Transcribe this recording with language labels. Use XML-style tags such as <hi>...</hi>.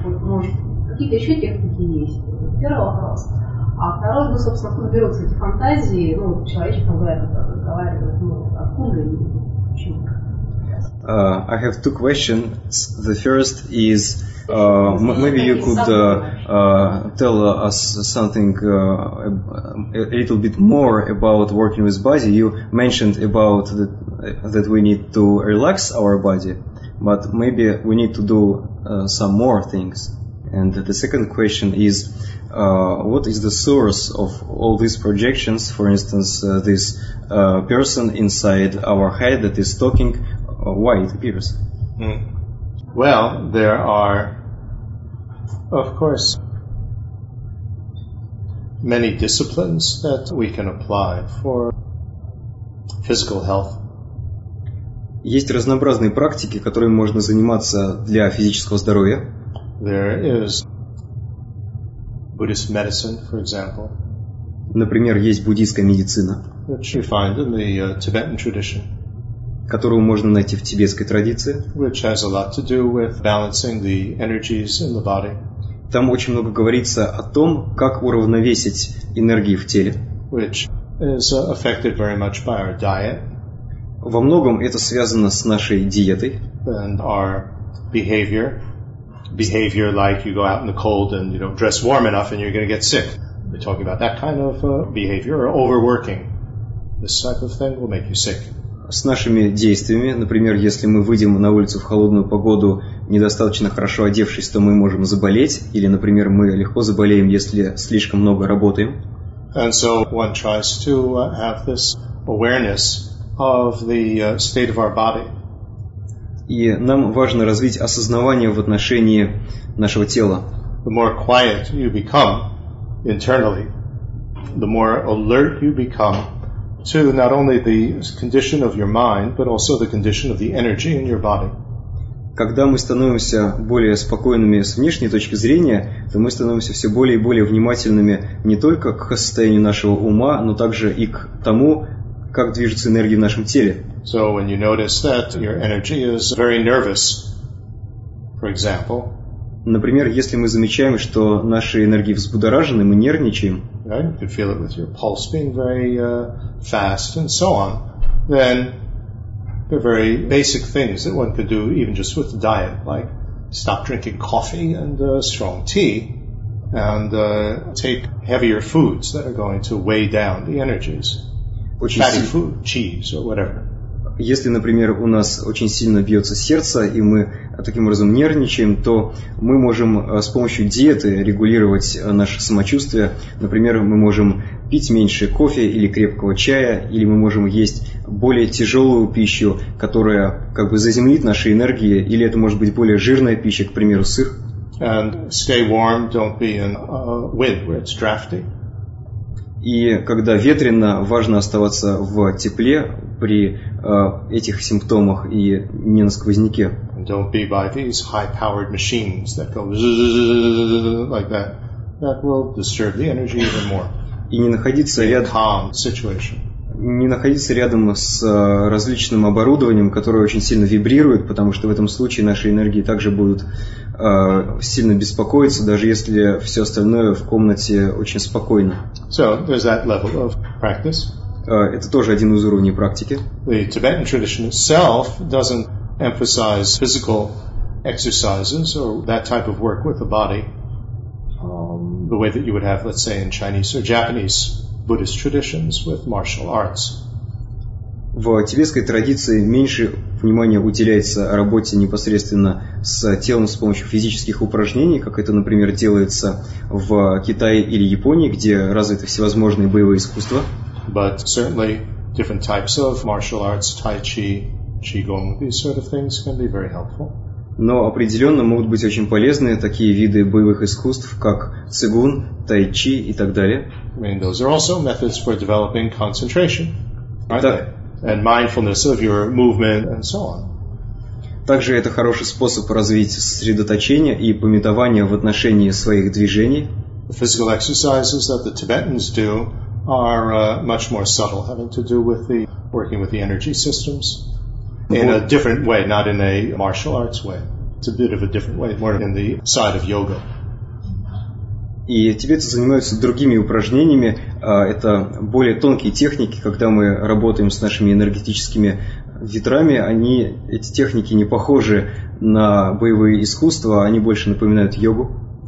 <ru>Вот, может, какие-то еще техники есть? Первый вопрос. А второй, ну, собственно, откуда берутся эти фантазии? Ну, человечек, он говорит, разговаривает, ну, откуда они?</ru> <en>I have two questions. The first is, maybe you could tell us something a little bit more about working with body. You mentioned about that we need to relax our body, but maybe we need to do some more things. And the second question is, what is the source of all these projections? For instance, this person inside our head that is talking, why it appears? Well, there are, of course, many disciplines that we can apply for physical health.</en> <ru>Есть разнообразные практики, которыми можно заниматься для физического здоровья.</ru> <en>There is Buddhist medicine, for example.</en> <ru>Например, есть буддийская медицина,</ru> <en>which you find in the Tibetan tradition.</en> <ru>Которую можно найти в тибетской традиции.</ru> <en>Which has a lot to do with balancing the energies in the body.</en> <ru>Там очень много говорится о том, как уравновесить энергии в теле.</ru> <en>Which is affected very much by our diet.</en> <ru>Во многом это связано с нашей диетой.</ru> <en>And our behavior. Behavior like you go out in the cold and you don't dress warm enough and you're going to get sick. We're talking about that kind of behavior or overworking. This type of thing will make you sick.</en> <ru>С нашими действиями, например, если мы выйдем на улицу в холодную погоду, недостаточно хорошо одевшись, то мы можем заболеть, или, например, мы легко заболеем, если слишком много работаем.</ru> <en>And so one tries to have this awareness of the state of our body.</en> <ru>И нам важно развить осознавание в отношении нашего тела.</ru> <en>The more quiet you become internally, the more alert you become to not only the condition of your mind, but also the condition of the energy in your body.</en> <ru>Когда мы становимся более спокойными с внешней точки зрения, то мы становимся все более и более внимательными не только к состоянию нашего ума, но также и к тому, как движется энергия в нашем теле.</ru> <en>So when you notice that your energy is very nervous, for example.</en> <ru>Например, если мы замечаем, что наши энергии взбудоражены, мы нервничаем.</ru> <en>Right? You can feel it with your pulse being very fast and so on. Then there are very basic things that one could do even just with diet, like stop drinking coffee and strong tea and take heavier foods that are going to weigh down the energies. Which fatty food, cheese or whatever.</en> <ru>Если, например, у нас очень сильно бьется сердце, и мы таким образом нервничаем, то мы можем с помощью диеты регулировать наше самочувствие. Например, мы можем пить меньше кофе или крепкого чая, или мы можем есть более тяжелую пищу, которая как бы заземлит наши энергии, или это может быть более жирная пища, к примеру, сыр.</ru> <en>And stay warm, don't be in a wind where it's drafty.</en> <ru>И когда ветрено, важно оставаться в тепле при этих симптомах и не на сквозняке.</ru> <en>Don't be by these high-powered machines that go like that. That will disturb the energy even more.</en> <ru>И не находиться рядом.</ru> <en>Calm situation.</en> <ru>Не находиться рядом с различным оборудованием, которое очень сильно вибрирует, потому что в этом случае наши энергии также будут сильно беспокоиться, даже если все остальное в комнате очень спокойно.</ru> <en>So, there's that level of practice.</en> <ru>Это тоже один из уровней практики.</ru> <en>The Tibetan tradition itself doesn't emphasize physical exercises or that type of work with the body the way that you would have, let's say, in Chinese or Japanese Buddhist traditions with martial arts.</en> <ru>в тибетской традиции меньше внимания уделяется работе непосредственно с телом с помощью физических упражнений, как это, например, делается в Китае или Японии, где развиты всевозможные боевые искусства.</ru> <en>But certainly different types of martial arts, tai chi, qigong, these sort of things can be very helpful.</en> <ru>Но определенно могут быть очень полезны такие виды боевых искусств, как цигун, тай-чи и так далее.</ru> <en>I mean, those are also methods for developing concentration, aren't they? And mindfulness of your movement and so on.</en> <ru>Также это хороший способ развить сосредоточение и памятование в отношении своих движений.</ru> <en>The physical exercises that the Tibetans do are much more subtle, having to do with the working with the energy systems. In a different way, not in a martial arts way. It's a bit of a different way, more in the side of yoga.</en> <ru>И тибетцы занимаются другими упражнениями. Это более тонкие техники, когда мы работаем с нашими энергетическими ветрами. Они, эти техники не похожи на боевые искусства, они больше напоминают йогу.</ru>